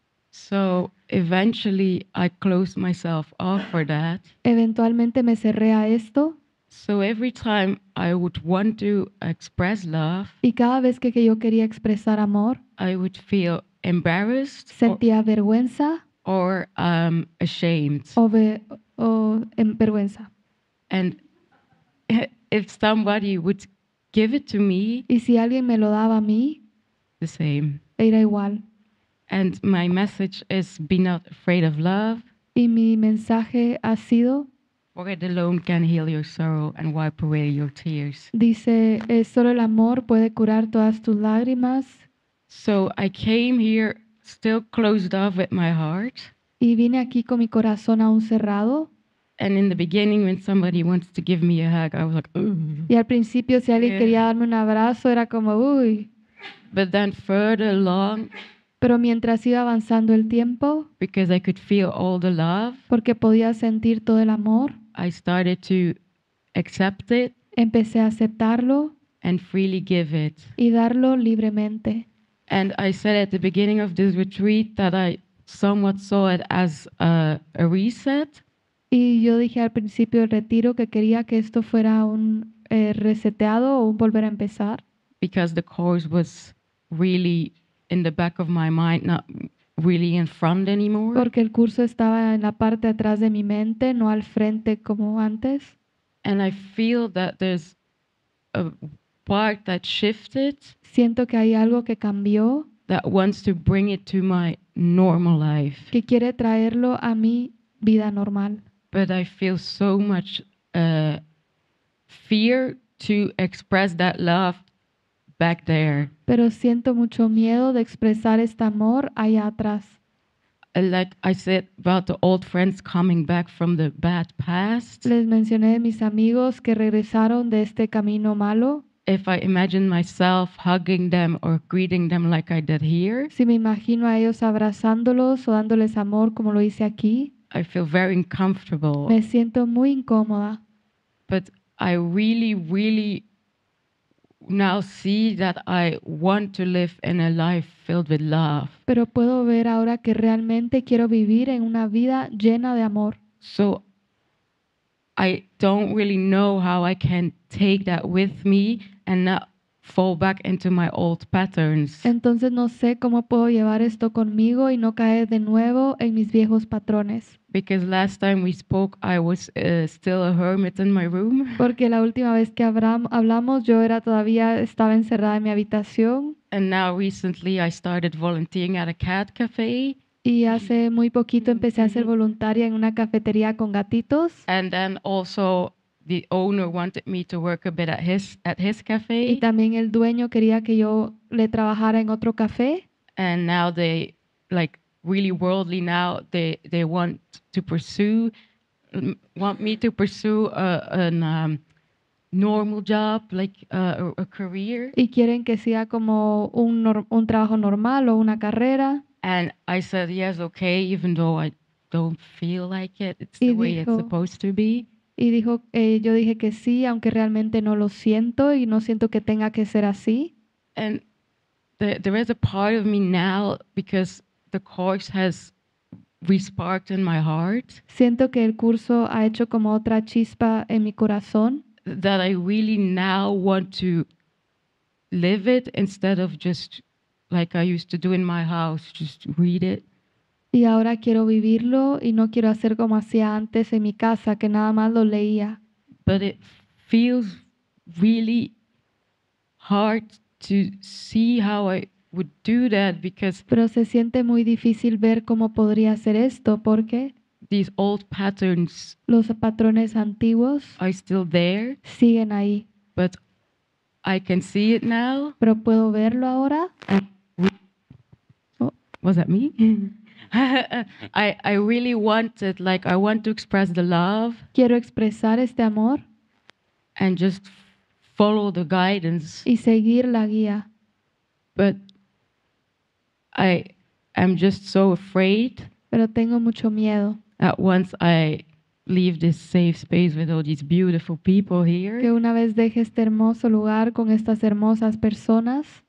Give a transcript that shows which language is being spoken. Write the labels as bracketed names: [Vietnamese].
[English] So eventually, I closed myself off for that. [Spanish] Eventualmente me cerré a esto. [English] So every time I would want to express love, [Spanish] y cada vez que yo quería expresar amor, [English] I would feel embarrassed, [Spanish] sentía vergüenza, [English] or ashamed, [Spanish] o en vergüenza. [English] And if somebody would give it to me, [Spanish] y si alguien me lo daba a mí, [English] the same, [Spanish] era igual. [English] And my message is be not afraid of love. [Spanish] Y mi mensaje ha sido. [English] For it alone can heal your sorrow and wipe away your tears. [Spanish] Dice, solo el amor puede curar todas tus lágrimas. [English] So I came here still closed off with my heart. [Spanish] Y vine aquí con mi corazón aún cerrado. [English] And in the beginning when somebody wants to give me a hug, I was like, [Spanish] y al principio si alguien quería darme un abrazo, era como, uy. [English] But then further along. [Spanish] Pero mientras iba avanzando el tiempo, [English] because I could feel all the love, [Spanish] porque podía sentir todo el amor, [English] I started to accept it, [Spanish] empecé a aceptarlo, [English] and freely give it, [Spanish] y darlo libremente. [English] And I said at the beginning of this retreat that I somewhat saw it as a reset. [Spanish] Y yo dije al principio del retiro que quería que esto fuera un reseteado o un volver a empezar, [English] because the course was really in the back of my mind, not really in front anymore. [Spanish] Porque el curso estaba en la parte atrás de mi mente, no al frente como antes. [English] And I feel that there's a part that shifted. [Spanish] Siento que hay algo que cambió. [English] That wants to bring it to my normal life. [Spanish] Que quiere traerlo a mi vida normal. [English] But I feel so much fear to express that love back there. [Spanish] Pero siento mucho miedo de expresar este amor allá atrás. [English] Like I said about the old friends coming back from the bad past. [Spanish] Les mencioné de mis amigos que regresaron de este camino malo. [English] If I imagine myself hugging them or greeting them like I did here. [Spanish] Si me imagino a ellos abrazándolos o dándoles amor como lo hice aquí. [English] I feel very uncomfortable. [Spanish] Me siento muy incómoda. [English] But I really, really now see that I want to live in a life filled with love. [Spanish] Pero puedo ver ahora que realmente quiero vivir en una vida llena de amor. [English] So I don't really know how I can take that with me and not fall back into my old patterns. [Spanish] Entonces no sé cómo puedo llevar esto conmigo y no caer de nuevo en mis viejos patrones. [English] Because last time we spoke, I was still a hermit in my room. [Spanish] Porque la última vez que hablamos, yo era todavía estaba encerrada en mi habitación. [English] And now recently I started volunteering at a cat cafe. [Spanish] Y hace muy poquito empecé a ser voluntaria en una cafetería con gatitos. [English] And then also the owner wanted me to work a bit at his cafe. [Spanish] Y también el dueño quería que yo le trabajara en otro café. [English] And now they like really worldly now they want me to pursue a normal job, like a career. [Spanish] Y quieren que sea como un trabajo normal o una carrera. [English] And I said yes, okay, even though I don't feel like it. It's the way it's supposed to be. [Spanish] Y dijo, yo dije que sí, aunque realmente no lo siento y no siento que tenga que ser así. [English] And there is a part of me now because the course has re-sparked in my heart. [Spanish] Siento que el curso ha hecho como otra chispa en mi corazón. [English] That I really now want to live it instead of just like I used to do in my house, just read it. [Spanish] Y ahora quiero vivirlo y no quiero hacer como hacía antes en mi casa, que nada más lo leía. [English] But it feels really hard to see how I would do that because. [Spanish] Pero se siente muy difícil ver cómo podría hacer esto porque. [English] These old patterns. [Spanish] Los patrones antiguos. [English] Are still there. [Spanish] Siguen ahí. [English] But I can see it now. [Spanish] Pero puedo verlo ahora. [English] Oh, was that me? I really want it, like I want to express the love. [Spanish] Quiero expresar este amor. [English] And just follow the guidance. [Spanish] Y seguir la guía. [English] But I am just so afraid. [Spanish] Pero tengo mucho miedo. [English] That once I leave this safe space with all these beautiful people here. [Spanish] Que una vez deje este hermoso lugar con estas hermosas personas.